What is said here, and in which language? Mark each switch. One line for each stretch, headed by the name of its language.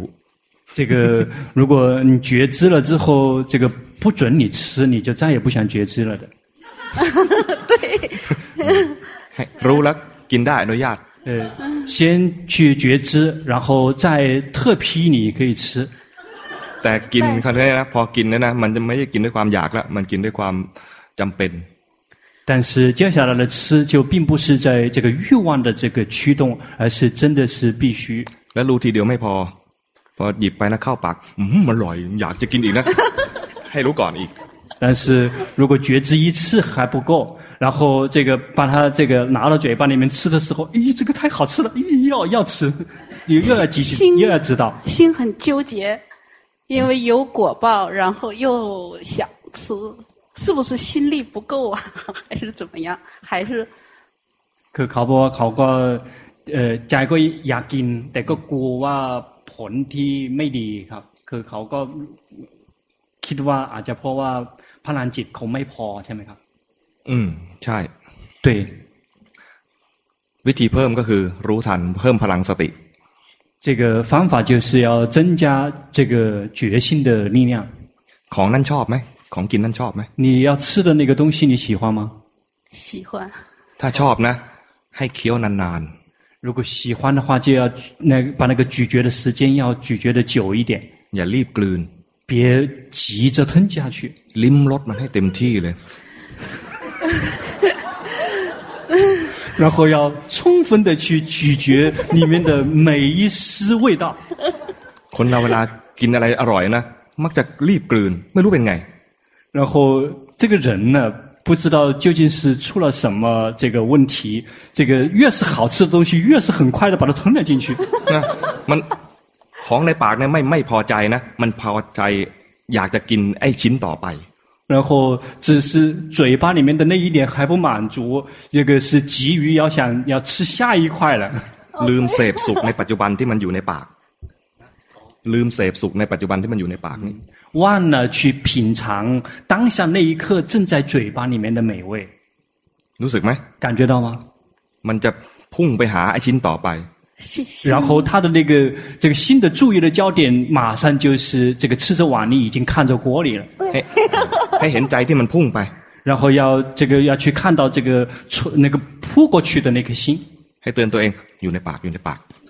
Chinese: 这个如果你觉知了之后这个不准你吃你就再也不想觉知了的对
Thai: รู้แล้วกินได้อนุญาต
Chinese: 先去觉知然后再特批你可以吃
Thai: แต่กินเขาเนี่ยนะพอกินเนี่ยนะมันจะไม่ได้กินด้วยความอยากละมันกินด้วยความจำเป็น
Chinese: 但是接下来的吃就并不是在这个欲望的这个驱动而是真的是必须
Thai: แล้วรู้ทีเดียวไม่พอหยิบไปแล้วเข้าปากมันอร่อยอยากจะกินอีกนะให้รู้ก่อนอีก
Chinese: 但是如果觉知一次还不够然后这个把它这个拿到嘴巴里面吃的时候，咦，这个太好吃了，咦，要吃，又要继续，又要知道，心很纠结，因为有果报，然后又想吃，是不是心力不够啊，还是怎么样？还是？ 그考보考과자기약인내가구와본티메디그考과기도와아자포와파란짓공매포ใช่ไหมครับ
Thai: อืมใช่ ด้วย วิธีเพิ่มก็คือรู้ทันเพิ่มพลังสติ
Chinese: 这个方法就是要增加这个决心的力量
Thai: ของนั่นชอบไหมของกินนั่นชอบไหม
Chinese: 你要吃的那个东西你喜欢吗喜欢
Thai: ถ้าชอบนะให้เคี้ยวนาน
Chinese: ๆ如果喜欢的话就要那把那个咀嚼的时间要咀嚼的久一点
Thai: อย่ารีบกลืน
Chinese: 别急着吞下去
Thai: ลิ้มรสมันให้เต็มที่เลย
Chinese: 然后要充分的去咀嚼里面的每一丝味道
Thai: คนเราเวลากินอะไรอร่อยนะมักจะรีบกลืนไม่รู้เป็นไง
Chinese: 然后这个人呢不知道究竟是出了什么这个问题这个越是好吃的东西越是很快的把它吞了进去
Thai: มันของในปากเนี่ยไม่พอใจนะมันพอใจอยากจะกินไอ้ชิ้นต่อไป
Chinese: 然后只是嘴巴里面的那一点还不满足这个是急于要想要吃下一块了
Thai: ลืมเสพสุขในปัจจุบันที่มันอยู่ในปากลืมเสพสุขในปัจจุบันที่มันอยู่ในปากนี่
Chinese: 忘了去品尝当下那一刻正在嘴巴里面的美味
Thai: รู้สึกไหม
Chinese: 感觉到吗
Thai: มันจะพุ่งไปหาไอ้ชิ้นต่อไป
Chinese: 然后他的那个这个新的注意的焦点马上就是这个吃着碗你已经看着锅里了
Thai: ให้เห็นใจที่มันพุ่งไป
Chinese: 然后要这个要去看到这个那个扑过去的那颗心
Thai: ให้เตือนตัวเองอยู่ในปากอยู่ในปาก